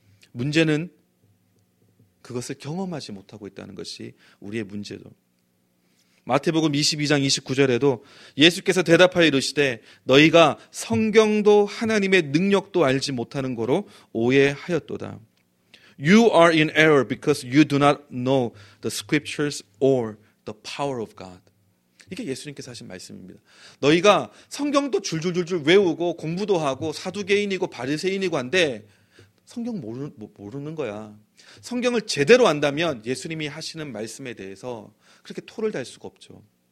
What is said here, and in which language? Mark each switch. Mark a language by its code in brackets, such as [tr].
[ko] 문제는 그것을 경험하지 못하고 있다는 것이 우리의 문제죠. 마태복음 22장 29절에도 예수께서 대답하여 이르시되 너희가 성경도 하나님의 능력도 알지 못하는 거로 오해하였도다. [en] You are in error because you do not know the scriptures or the power of God. [ko] 이게 예수님께서 하신 말씀입니다. 너희가 성경도 줄줄줄줄 외우고 공부도 하고 사두개인이고 바리새인이고 한데 성경 모르는 거야. 성경을 제대로 안다면 예수님이 하시는 말씀에 대해서 그렇게 토를 달 수가 없죠.